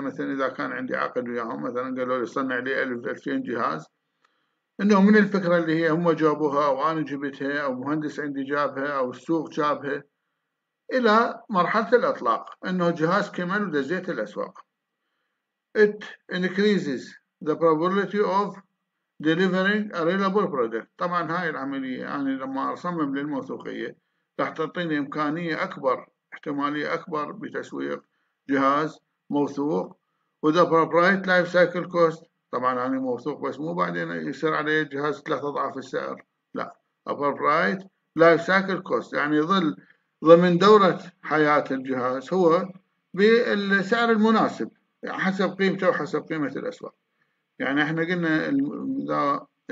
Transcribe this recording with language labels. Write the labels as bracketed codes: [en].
[ar] مثلا إذا كان عندي عقد وياهم، مثلا قالوا لي صنع لي 1000 2000 جهاز، إنه من الفكرة اللي هي هم جابوها أو أنا جبتها أو مهندس عندي جابها أو السوق جابها إلى مرحلة الإطلاق، إنه جهاز كمان ودزيت الأسواق. [en] It increases the probability of delivering a reliable product. [ar] طبعا هاي العملية يعني لما أصمم للموثوقية راح تعطيني إمكانية أكبر، احتمالية أكبر بتسويق جهاز موثوق. وذا [en] bright life cycle cost, [ar] طبعا أنا يعني موثوق بس مو بعدين يصير علي الجهاز 3 أضعاف السعر، لا، برايت لايف سايكل كوست يعني يظل ضمن دورة حياة الجهاز هو بالسعر المناسب حسب قيمته وحسب قيمة الأسواق. يعني احنا قلنا إذا